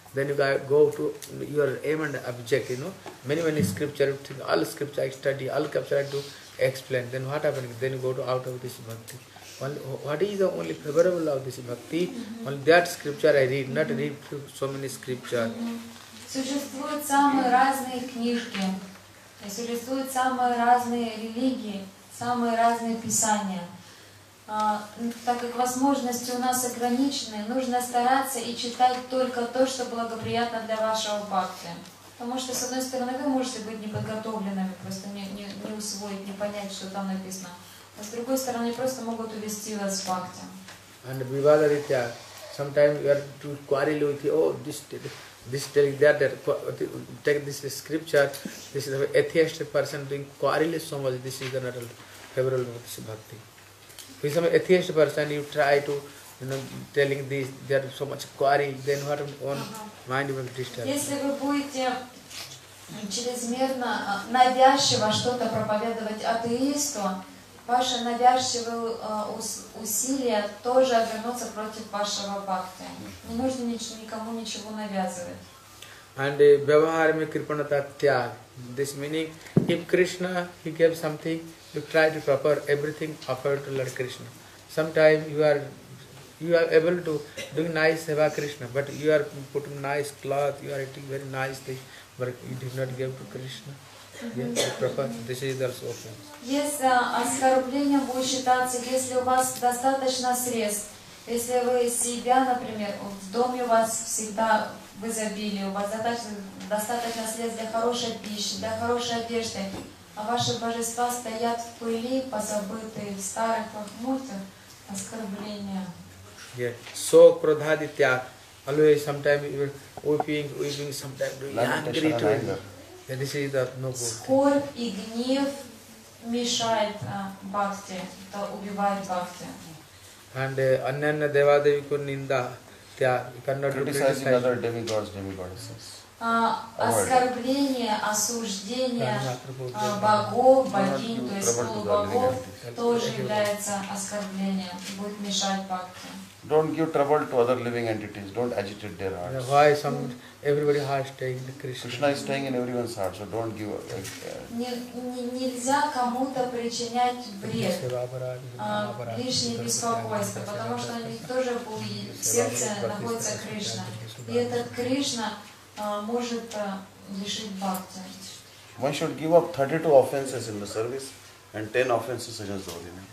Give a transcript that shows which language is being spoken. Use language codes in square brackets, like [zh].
[en] Then you go to your aim and object, you know. Many scripture, all scripture I study, all scripture I do, explain. Then what happening? Then you go to out of this bhakti. What is the only favorable of this bhakti? Mm-hmm. Only that scripture I read, not read so many scriptures. [ru] Существуют самые разные книжки, существуют самые разные религии, самые разные писания. Так как возможности у нас ограничены, нужно стараться и читать только то, что благоприятно для вашего бхакти. Потому что, с одной стороны, вы можете быть неподготовленными, просто не усвоить, не понять, что там написано. А с другой стороны, просто могут увести вас с факта. [en] And vivada ritya, sometimes you are to quarrel with you, oh, this telling that, take this scripture, this is an atheist person doing quarrel so much, this is the natural favorable of this bhakti. If some atheist person, you try to, you know, telling this, there are so much quarry, then what one mind will disturb. [ru] Если вы будете чрезмерно навязчиво что-то проповедовать атеисту, ваши навязчивые усилия тоже обернутся против вашего бхакти. Не нужно никому ничего навязывать. [sa] And vyavaharame kripana tatyag. [en] This meaning, if Krishna, he gave something, you try to proper everything offered to Lord Krishna. Sometimes you are able to do nice seva Krishna, but you are putting nice cloth, you are eating very nice things, but you did not give to Krishna. Yes, proper, this is also offense. Yes, [ru] оскорбление будет считаться, если у вас достаточно средств. Если вы себя, например, в доме у вас всегда в изобилии, у вас достаточно средств для хорошей пищи, для хорошей одежды, а ваши божества стоят в пыли, позабытые, в старых лохмотьях, оскорбления. [en] Yes. [sa] Сок прадхади тяг. [en] Always sometimes you're weeping, sometimes you're angry to him. Yeah, this is the no good. [ru] Скорбь и гнев мешает бхакти, это убивает бхакти. [sa] And ananya devadevi ko ninda тяг. [en] You cannot criticize the other demigods, demigoddesses. [ru] Оскорбление, осуждение богов, богинь, то есть полубогов, тоже является оскорблением, будет мешать бхакти. [en] Don't give trouble to other living entities. Don't agitate their hearts. Yeah, why some everybody heart staying in Krishna? Krishna is staying in everyone's heart, so don't give. [ru] Нельзя кому-то причинять вред. Лишнее беспокойство, потому что они тоже в сердце находится Кришна, и этот Кришна может лишить бхакти. [en] One should give up 32 offenses in the service and 10 offenses against the Holy Name.